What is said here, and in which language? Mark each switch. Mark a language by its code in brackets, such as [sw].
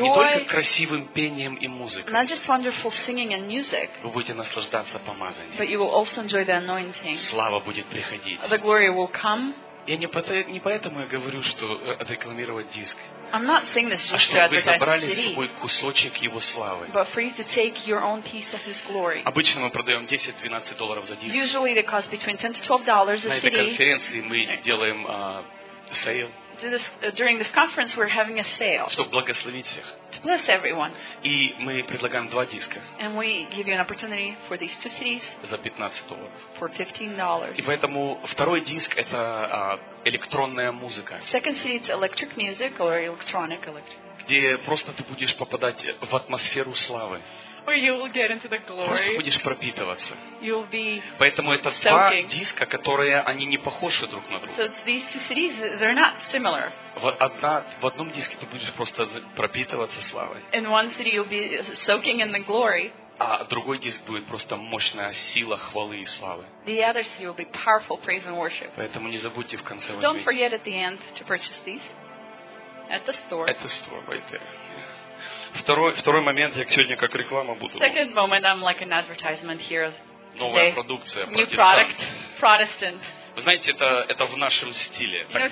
[ru] не только красивым пением и музыкой, [en] not just wonderful singing and music, [ru] вы будете наслаждаться помазанием. [en] But you will also enjoy the anointing. [ru] Слава будет приходить. [en] The glory will come. [ru] Я не поэтому я говорю, что рекламировать диск. [en] I'm not saying this just [ru] а чтобы вы забрали с собой кусочек его славы. [en] But for you to take your own piece of his glory. [ru] Обычно мы продаем 10-12 долларов за диск. [en] Usually they cost between $10 to $12 a CD. [ru] На этой конференции мы делаем сейл. [en] During this conference, we're having a sale. [ru] Чтобы благословить всех. [en] To bless everyone. [ru] И мы предлагаем два диска. [en] And we give you an opportunity for these two CDs. [ru] За $15. [en] For $15. [ru] И поэтому второй диск это электронная музыка. [en] Second CD is electric music or electronic electric. [ru] Где просто ты будешь попадать в атмосферу славы. [en] Where you will get into the glory. [ru] Просто будешь пропитываться. [en] You'll be [ru] поэтому это [en] soaking. [ru] Два диска, которые они не похожи друг на друга. [en] So these two CDs, they're not similar. [ru] В одном диске ты будешь просто пропитываться славой. [en] In one CD you'll be soaking in the glory. [ru] А другой диск будет просто мощная сила хвалы и славы. [en] The other CD will be powerful praise and worship. [ru] Поэтому не забудьте в конце. [en] So don't forget at the end to purchase these at the store. At the store, right there. [ru] Второй момент, я сегодня как реклама буду. [en] Second moment, I'm like an advertisement here. [ru] Новая продукция, [en] new product, protestant. [ru] Вы знаете, это в нашем стиле, так